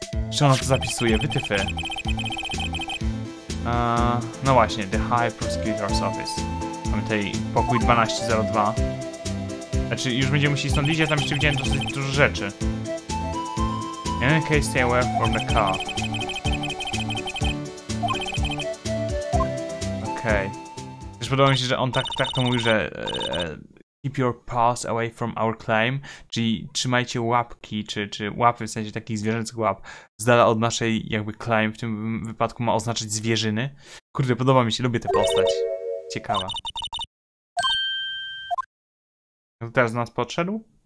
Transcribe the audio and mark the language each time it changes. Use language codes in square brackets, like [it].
[pl] Czy ona to zapisuje? Wytyfy. No właśnie, [en] the high prosecutor's office. [pl] Mamy tutaj pokój 1202. Znaczy, już będziemy musieli stąd iść, ja tam jeszcze widziałem dosyć dużo rzeczy. [en] In any case, stay away from the car. [pl] Okej. Okay. Też podoba mi się, że on tak to mówi, że... [en] keep your paws away from our claim. [pl] Czyli trzymajcie łapki, czy łapy, w sensie takich zwierzęcych łap, z dala od naszej jakby claim. W tym wypadku ma oznaczać zwierzyny. Kurde, podoba mi się, lubię tę postać. Ciekawa. Kto teraz do nas podszedł?